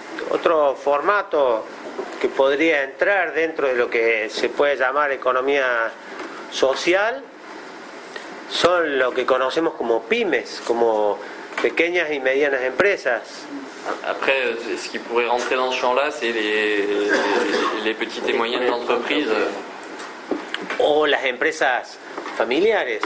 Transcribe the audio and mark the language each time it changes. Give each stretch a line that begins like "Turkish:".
Spanish: Otro formato que podría entrar dentro de lo que se puede llamar economía social son lo que conocemos como pymes, como pequeñas y medianas empresas.
French: Après, ce qui pourrait rentrer dans ce champ-là, c'est les petites et moyennes entreprises.
Spanish: O las empresas familiares.